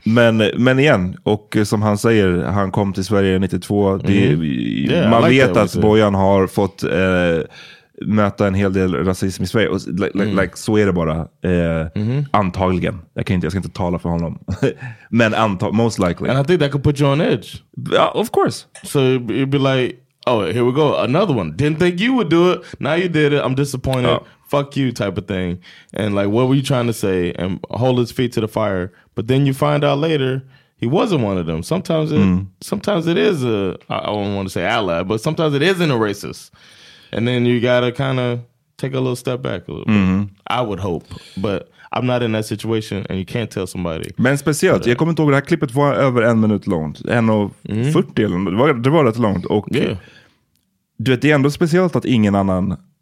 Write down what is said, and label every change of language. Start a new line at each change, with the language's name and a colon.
Swedish: Men igen, och som han säger, han kom till Sverige 92. Man vet att Bojan har fått... möta en hel del rasism i Sverige. Och så är det bara. Antagligen. Jag ska inte tala för honom.
English: Men most likely. And I think that could put you on edge. Of course. So you'd be like, oh, here we go. Another one. Didn't think you would do it. Now you did it. I'm disappointed. Fuck you type of thing. And like, what were you trying to say? And hold his feet to the fire. But then you find out later, he wasn't one of them. Sometimes it is, I don't want to say ally, but sometimes it isn't a racist. And then you gotta kind of take a little step back a little bit. Mm-hmm. I would hope, but I'm not in that situation and you can't tell somebody.
Swedish: Men speciellt, jag kommer inte ihåg, det här klippet var över en minut långt. En av 40 eller något, det var rätt långt. Och du vet, det är ändå speciellt att ingen annan...